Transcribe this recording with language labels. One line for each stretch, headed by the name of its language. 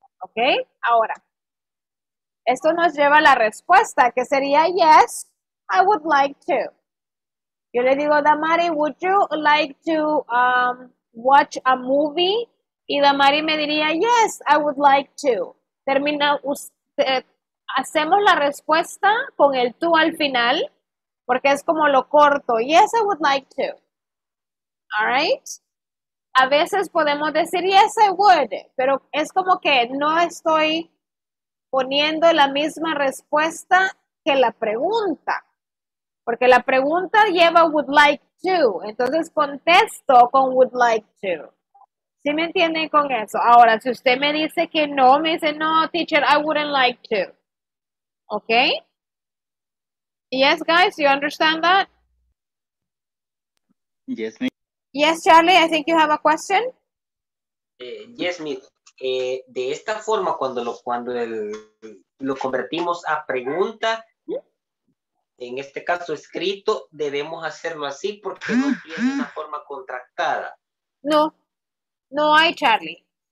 Spanish: Okay, ahora. Esto nos lleva a la respuesta, que sería yes,
English: I would like to.
Spanish: Yo le digo,
English: Damari, would you like to watch a movie?
Spanish: Y Damari me diría,
English: yes, I would like to.
Spanish: Termina usted, hacemos la respuesta con el tú al final, porque es como lo corto.
English: Yes, I would like to. All right?
Spanish: A veces podemos decir,
English: yes, I would.
Spanish: Pero es como que no estoy poniendo la misma respuesta que la pregunta. Porque la pregunta lleva
English: would like to.
Spanish: Entonces contesto con would like to. ¿Sí me entienden con eso? Ahora, si usted me dice que no, me dice, no, teacher,
English: I wouldn't like to.
Spanish: Okay?
English: Yes, guys, you understand that? Yes, ma'am. Yes, Charlie, I think you have a question. Yes, ma'am.
Spanish: De esta forma, cuando lo convertimos a pregunta, en este caso escrito, debemos hacerlo así porque no tiene una forma contractada. No. No hay, Charlie.